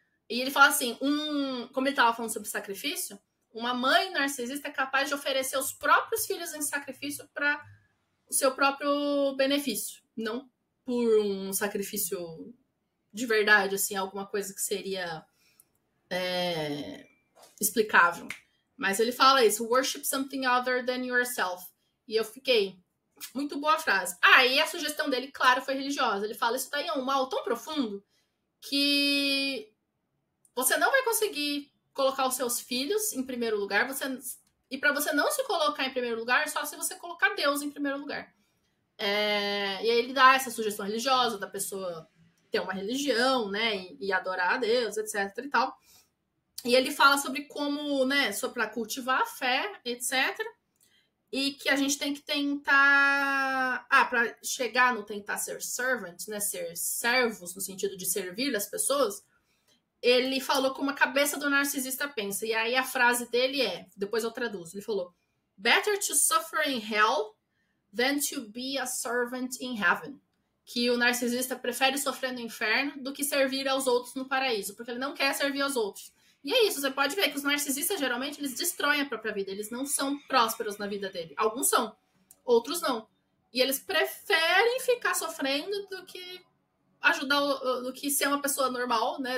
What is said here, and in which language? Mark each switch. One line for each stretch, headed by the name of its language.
Portuguese: E ele fala assim, como ele estava falando sobre sacrifício, uma mãe narcisista é capaz de oferecer os próprios filhos em sacrifício para o seu próprio benefício, não por um sacrifício de verdade, assim, alguma coisa que seria explicável. Mas ele fala isso,
English: worship something other than yourself.
Portuguese: E eu fiquei... Muito boa frase. Ah, e a sugestão dele, claro, foi religiosa. Ele fala, isso daí é um mal tão profundo que você não vai conseguir colocar os seus filhos em primeiro lugar. E para você não se colocar em primeiro lugar, só se você colocar Deus em primeiro lugar. E aí ele dá essa sugestão religiosa da pessoa ter uma religião, né? E adorar a Deus, etc e tal. E ele fala sobre como, né? Só para cultivar a fé, etc. E que a gente tem que tentar... para chegar no tentar ser servant, né? Ser servos, no sentido de servir as pessoas. Ele falou como a cabeça do narcisista pensa. E aí a frase dele é... Depois eu traduzo. Ele falou...
English: Better to suffer in hell than to be a servant in heaven.
Portuguese: Que o narcisista prefere sofrer no inferno do que servir aos outros no paraíso. Porque ele não quer servir aos outros. E é isso, você pode ver que os narcisistas, geralmente, eles destroem a própria vida. Eles não são prósperos na vida dele. Alguns são, outros não. E eles preferem ficar sofrendo do que ajudar, do que ser uma pessoa normal, né?